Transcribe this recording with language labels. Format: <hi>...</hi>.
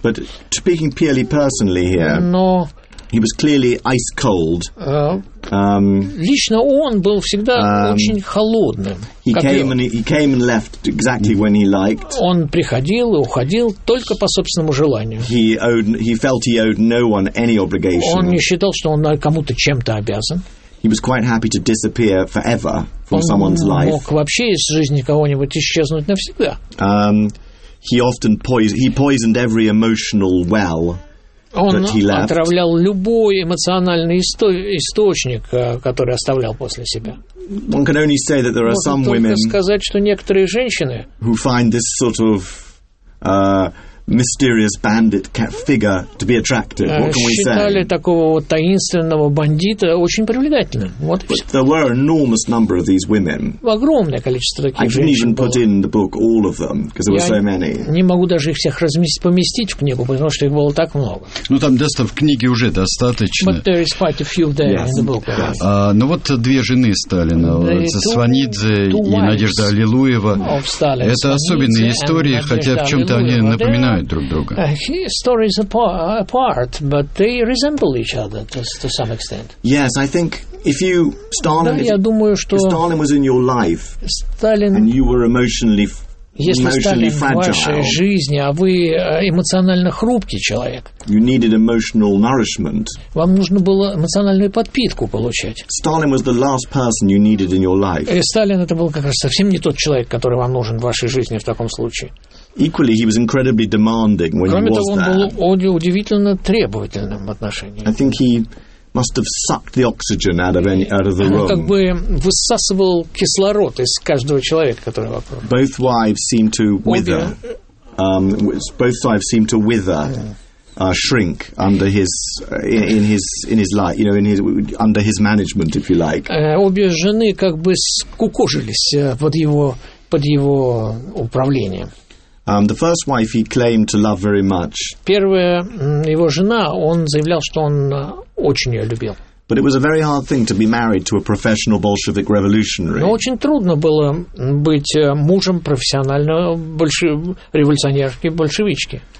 <en>But speaking purely personally here, he was clearly ice cold.</en> <ru>Лично он был всегда очень холодным.</ru> <en>He came and left exactly when he liked.</en> <ru>Он приходил и уходил только по собственному желанию.</ru> <en>He felt he owed no one any obligation.</en> <ru>Он не считал, что он кому-то чем-то обязан.</ru> <en>He was quite happy to disappear forever from someone's life.</en> <ru>Мог вообще из жизни кого-нибудь исчезнуть навсегда.</ru> <en>He poisoned every emotional well that he left.</en> <ru>Он отравлял любой эмоциональный источник, который оставлял после себя.</ru> <en>One can only say that there are some women.</en> <ru>Можно сказать, что некоторые женщины.</ru> <en>Who find this sort of mysterious bandit figure to be attractive. What can we say?</en> <ru>Считали такого вот таинственного бандита очень привлекательным. Вот.</ru> <en>But there were enormous number of these women.</en> <ru>Огромное количество таких женщин.</ru> <en>I couldn't even put in the book all of them because there were so many.</en> <ru>Не могу даже их всех поместить в книгу, потому что их было так много. Ну там места в книге уже достаточно.</ru> <en>But there is quite a few there in the book.</en> <ru>Ну вот две жены Сталина, Сванидзе и Надежда Аллилуева. Это особенные истории, хотя в чем-то они напоминают</ru> <en>Stories apart, but they resemble each other to some extent. Yes, I think if you Stalin, if Stalin was in your life, Stalin, and you were emotionally fragile,</en> <ru>в вашей жизни, а вы эмоционально хрупкий человек,</ru> <en>you needed emotional nourishment.</en> <ru>Вам нужно было эмоциональную подпитку получать.</ru> <en>Stalin was the last person you needed in your life.</en> <ru>И Сталин это был как раз совсем не тот человек, который вам нужен в вашей жизни в таком случае.</ru> <en>Equally, he was incredibly demanding when</en> <ru>Кроме</ru> <en>he was</en> <ru>того,</ru> <en>there.</en> <ru>Он был удивительно требовательным в отношении.</ru> <en>I think he must have sucked the oxygen out of the room.</en> <ru>Он как бы высасывал кислород из каждого человека, который вокруг.</ru> <en>Both wives seemed to wither. Both wives seemed to wither, shrink under his in his light, you know, in his under his management, if you like.</en> <ru>Обе жены как бы скукожились под его управлением.</ru> <en>The first wife he claimed to love very much.</en> <ru>Первая его жена, он заявлял, что он очень ее любил.</ru> <en>But it was a very hard thing to be married to a professional Bolshevik revolutionary.</en> <ru>Но очень трудно было быть мужем профессионального революционерки большевички.</ru>